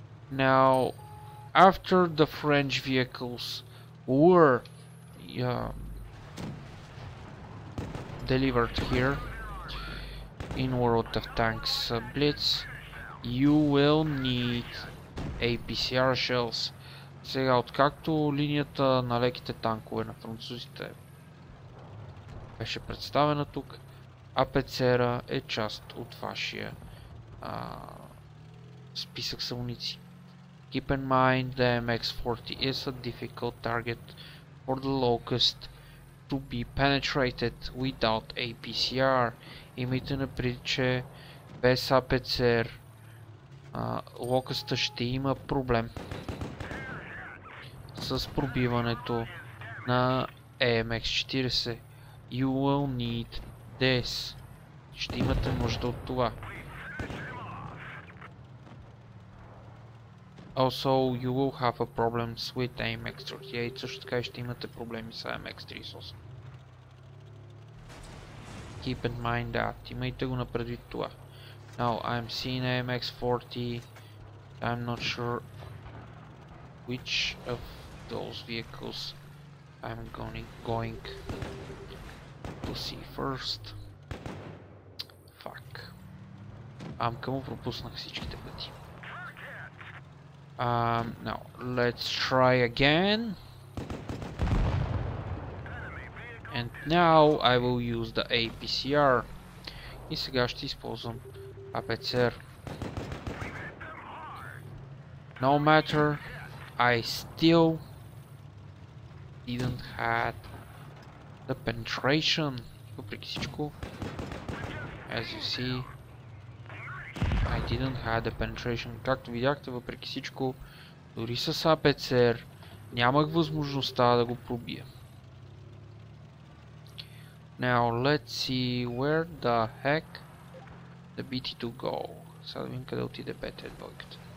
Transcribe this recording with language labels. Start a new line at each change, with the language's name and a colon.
English: Now, after the French vehicles were delivered here in World of Tanks Blitz, you will need APCR shells.
Bulgarian: Сега, откакто линията на леките танкове на французите беше представена тук, АПЦР-а е част от вашия списък с амуниции.
English: Keep in mind, the MX-40 is a difficult target for the Locust to be penetrated without APCR.
Bulgarian: Имайте напред, че без АПЦР Locust-а ще има проблем с пробиването на AMX-40.
English: You will need this.
Bulgarian: Ще имате нужда от това.
English: Also, you will have a problem with AMX-38.
Bulgarian: Също така ще имате проблеми с AMX-38.
English: Keep in mind that.
Bulgarian: Имайте го напредвид това.
English: Now, I'm seeing AMX-40. I'm not sure which of those vehicles I'm going to see first. Fuck.
Bulgarian: Ам, кому пропуснах всичките пъти.
English: Now, let's try again. And now I will use the APCR.
Bulgarian: И сега ще използвам АПЦР.
English: No matter, I still didn't had the penetration.
Bulgarian: Въпреки всичко,
English: as you see, I didn't had the penetration.
Bulgarian: Както видяхте, въпреки всичко, дори с АПЦР нямах възможността да го пробия.
English: Now let's see where the heck the BT to go.
Bulgarian: Сега да видим къде отиде БТ-2-ката.